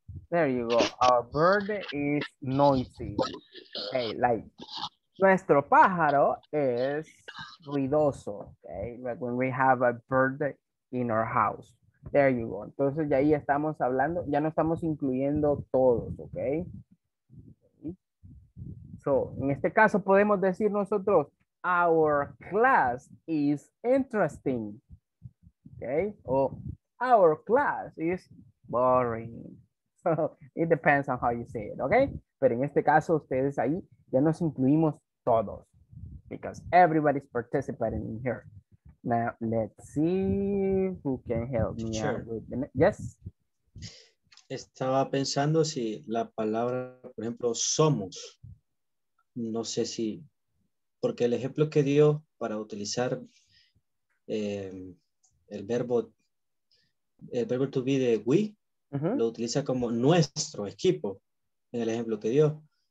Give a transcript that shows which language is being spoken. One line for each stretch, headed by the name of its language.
English: There you go. Our bird is noisy. Okay, like
Spanish: Nuestro pájaro es ruidoso, okay?
English: Like when we have a bird in our house. There you go.
Spanish: Entonces ya ahí estamos hablando, ya no estamos incluyendo todos, okay? So, en este caso podemos decir nosotros,
English: our class is interesting,
Spanish: okay?
English: O our class is boring. So, it depends on how you say it,
Spanish: okay? Pero en este caso ustedes ahí ya nos incluimos todos,
English: because everybody's participating in here. Now, let's see who can help me out with the next. Yes?
Spanish: Estaba pensando si la palabra, por ejemplo, somos, no sé si, porque el ejemplo que dio para utilizar el verbo to be de we, uh-huh, lo utiliza como nuestro equipo, en el ejemplo que dio.